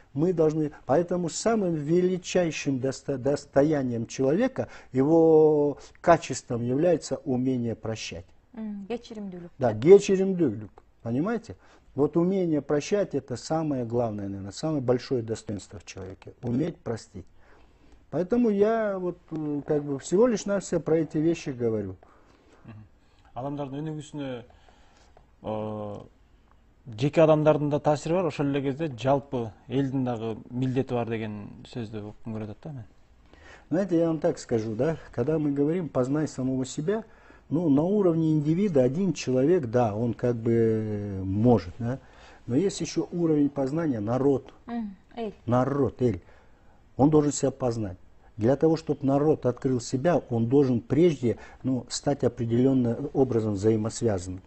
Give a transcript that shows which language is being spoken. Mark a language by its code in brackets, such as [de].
[ru] Мы должны, поэтому самым величайшим достоянием человека, его качеством является умение прощать. [ky] Гечеремдюлюк. [ru] Да, гечеремдюлюк, понимаете? Вот умение прощать, это самое главное, наверное, самое большое достоинство в человеке, уметь простить. Поэтому я вот как бы всего лишь на все про эти вещи говорю. [ky] Адамдардын өнүгүүсүнө жеке адамдардын да таасири бар, ошол эле кезде жалпы элдин дагы милдети бар деген сөздү уккум келет да мен. [ru] Знаете, я вам так скажу, да, когда мы говорим познай самого себя, ну, на уровне индивида один человек, да, он как бы может, да. Но есть еще уровень познания народ. Народ, эль. Он должен себя познать. Для того, чтобы народ открыл себя, он должен прежде, ну, стать определенным образом взаимосвязанным.